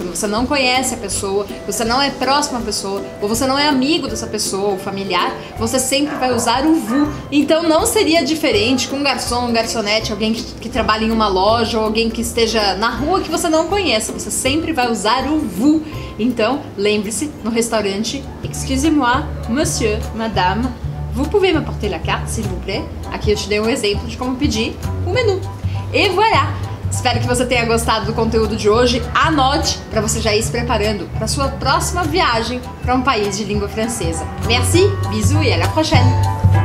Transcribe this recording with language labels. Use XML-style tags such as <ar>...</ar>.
<pt>Quando você não conhece a pessoa, você não é próximo à pessoa, ou você não é amigo dessa pessoa ou familiar, você sempre vai usar o vous. Então não seria diferente com um garçom, um garçonete, alguém que trabalha em uma loja ou alguém que esteja na rua que você não conheça. Você sempre vai usar o vous. Então lembre-se, no restaurante,</pt> <fr>excusez-moi, monsieur, madame, vous pouvez me apporter la carte, s'il vous plaît?</fr> <pt>Aqui eu te dei um exemplo de como pedir o menu. E voilà! Espero que você tenha gostado do conteúdo de hoje. Anote para você já ir se preparando para sua próxima viagem para um país de língua francesa.</pt> <fr>Merci, bisous</fr> <pt>e</pt> <fr>à la prochaine!</fr>